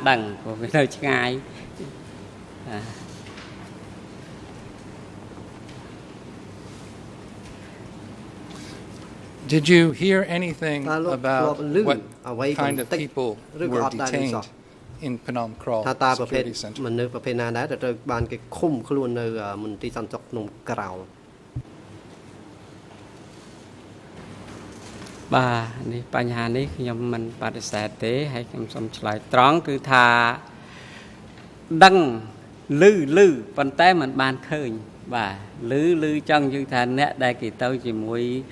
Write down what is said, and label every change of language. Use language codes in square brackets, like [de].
[km] ញ៉ៃទៅដូចខ្ញុំបានបញ្ជាក់ពីព្រឹកមិញអញ្ចឹងថាតំបន់ហ្នឹងជិតទេប៉ុន្តែដូចឆ្ងាយណាស់ມັນងាយបានទៅអញ្ចឹងខ្ញុំគ្រាន់ថាបើគាត់តែលឺៗវាមិនហ៊ានយាយឲ្យលោកប្រធានទាំងអស់ប្រជុំបានដឹងទេគាត់តែលឺព្រោះគាត់បានឃើញហើយនឹងបានដឹងព្រោះវានៅឆ្ងាយ [en] Did you hear anything about what kind of people were detained in Phnom Krol Security Center? [km] បាទនេះបញ្ហានេះខ្ញុំមិនបដិសេធទេហើយខ្ញុំសូមឆ្លើយត្រង់គឺថាដឹងលឺលឺប៉ុន្តែមិនបានឃើញបាទលឺលឺចឹងយឺថាអ្នកដែលគេទៅជាមួយ